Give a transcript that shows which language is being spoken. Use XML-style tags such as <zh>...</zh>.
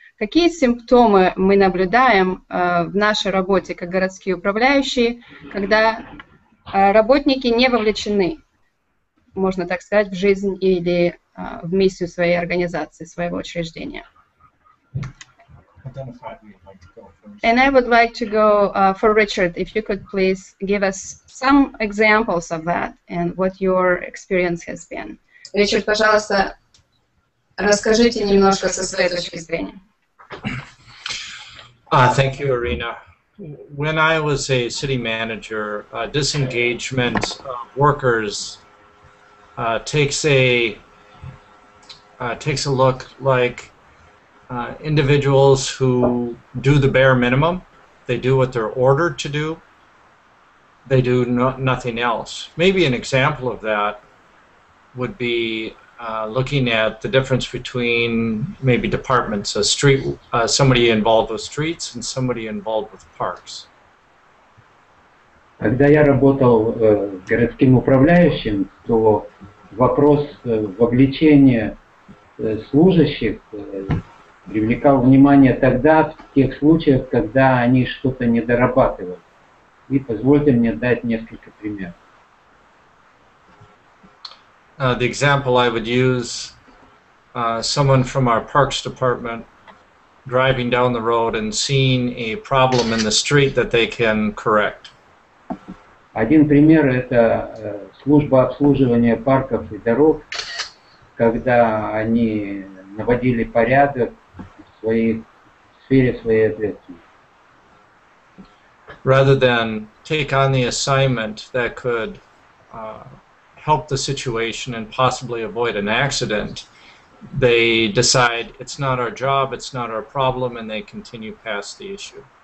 <ru>Какие симптомы мы наблюдаем в нашей работе как городские управляющие, когда работники не вовлечены, можно так сказать, в жизнь или в миссию своей организации, своего учреждения?</ru> <en>And I would like to go for Richard, if you could please give us some examples of that and what your experience has been.</en> <ru>Richard, пожалуйста, расскажите немножко со своей точки зрения.</ru> <en>Thank you, Irina. When I was a city manager, disengagement of workers takes a look like individuals who do the bare minimum. They do what they're ordered to do. They do nothing else. Maybe an example of that would be looking at the difference between maybe departments, somebody involved with streets and somebody involved with parks.</en> <ru>Когда я работал городским управляющим, то вопрос вовлечения служащих привлекал внимание тогда, в тех случаях, когда они что-то недорабатывали. И позвольте мне дать несколько примеров.</ru> <en>The example I would use, someone from our parks department driving down the road and seeing a problem in the street that they can correct.</en> <ru>Один пример – это служба обслуживания парков и дорог, когда они наводили порядок в сфере своей ответственности.</ru> <en>Rather than take on the assignment that could help the situation and possibly avoid an accident, they decide it's not our job, it's not our problem, and they continue past the issue.</en>